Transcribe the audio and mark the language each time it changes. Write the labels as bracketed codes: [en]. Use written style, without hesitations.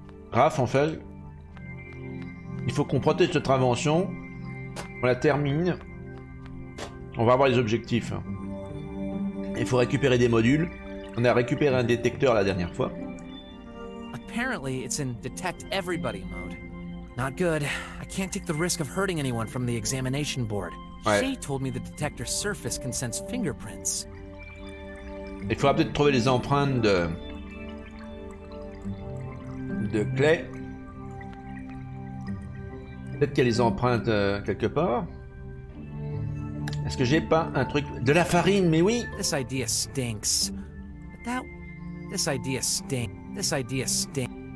[fr] Graf, en fait. Il faut qu'on protège notre invention. On la termine. On va avoir les objectifs. Il faut récupérer des modules. On a récupéré un détecteur la dernière fois. [en] Apparently, it's in detect everybody mode. Not good. I can't take the risk of hurting anyone from the examination board. [fr] Ouais. [en] Shay told me the detector surface can sense fingerprints. [fr] Il faudra peut-être trouver les empreintes de... de Clay. Peut-être qu'il y a les empreintes quelque part. Est-ce que j'ai pas un truc... de la farine, mais oui! [en] This idea stinks. But that... this idea stinks. This idea stinks.